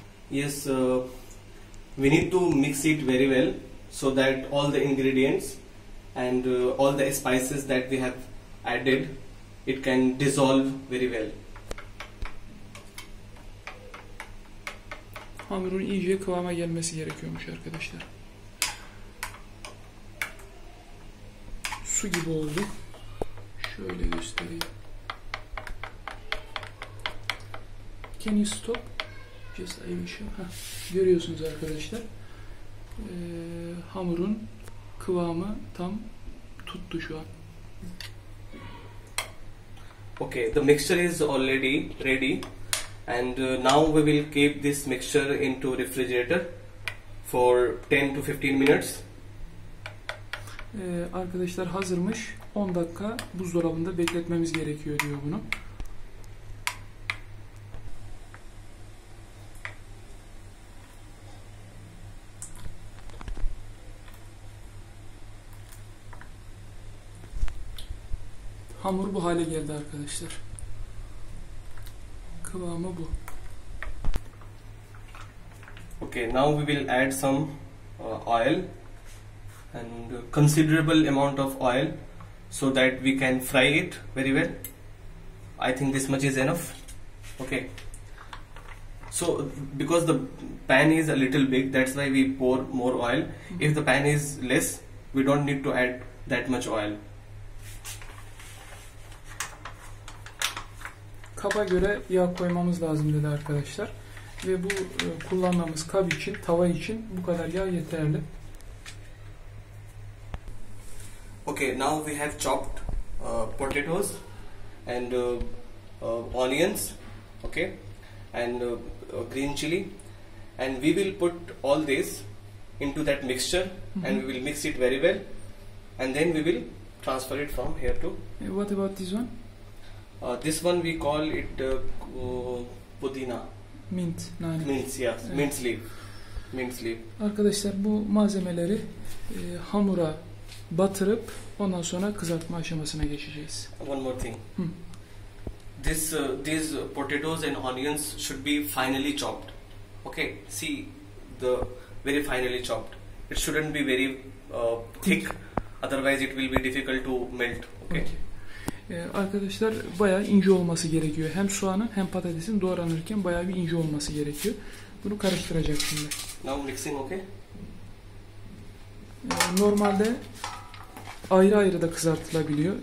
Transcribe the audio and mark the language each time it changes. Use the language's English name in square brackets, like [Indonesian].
[English] Yes, we need to mix it very well so that all the ingredients and all the spices that we have added, it can dissolve very well. [Turkish] Hamurun iyice kıvama gelmesi gerekiyormuş arkadaşlar. Su gibi oldu. Şöyle göstereyim. [English] Can you stop? Just I wish. [Turkish] Görüyorsunuz arkadaşlar. Hamurun kıvamı tam tuttu şu an. [English] Okay, the mixture is already ready and now we will keep this mixture into refrigerator for 10 to 15 minutes. [Turkish] Arkadaşlar hazırmış. 10 dakika buzdolabında bekletmemiz gerekiyor diyor bunu. Hamur bu hale geldi arkadaşlar. Kıvamı bu. [English] Okay, now we will add some oil and considerable amount of oil so that we can fry it very well. I think this much is enough. Okay. So because the pan is a little big, that's why we pour more oil. If the pan is less, we don't need to add that much oil. [Turkish] kaba göre yağ koymamız lazım dedi arkadaşlar. Ve bu kullandığımız kap için, tava için bu kadar yağ yeterli. [English] Okay, now we have chopped potatoes and onions, okay, and green chili, and we will put all this into that mixture and we will mix it very well, and then we will transfer it from here to What about this one? this one we call it pudina, Mint, nane. mint, yes, [Turkish] Evet. [English] mint leaf. [Turkish] Arkadaşlar bu malzemeleri hamura batırıp ondan sonra kızartma aşamasına geçeceğiz. [English] One more thing. These potatoes and onions should be finely chopped. Okay, see the very finely chopped. It shouldn't be very thick. Otherwise it will be difficult to melt. Okay. Okay. [Turkish] Arkadaşlar bayağı ince olması gerekiyor. Hem soğanın hem patatesin doğranırken bayağı bir ince olması gerekiyor. Bunu karıştıracak şimdi. [English] Now mixing, okay? [Turkish] Normalde ayrı ayrı da kızartılabiliyor.